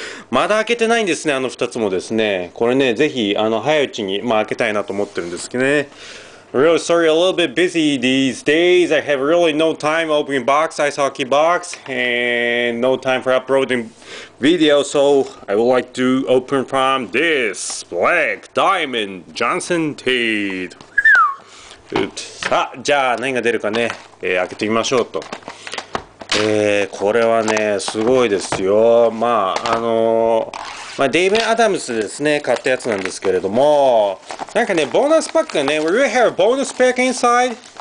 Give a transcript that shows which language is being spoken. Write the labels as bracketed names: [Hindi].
[Japanese] まだ開けてないんですね、あの2つもですね。これね、ぜひ、早いうちに、まあ、開けたいなと思ってるんですけどね。 [English] Really sorry, a little bit busy these days. I have really no time opening box, ice hockey box, and no time for uploading. Video, so I would like to open from this Black Diamond Johnson Tate. [Japanese] さあ、じゃあ何が出るかね、開けてみましょうと。これはね、すごいですよ。まあ、Dave&Adam's ですね、買ったやつなんですけれども、なんかね、ボーナスパックがね、 [English] we really have a bonus pack inside?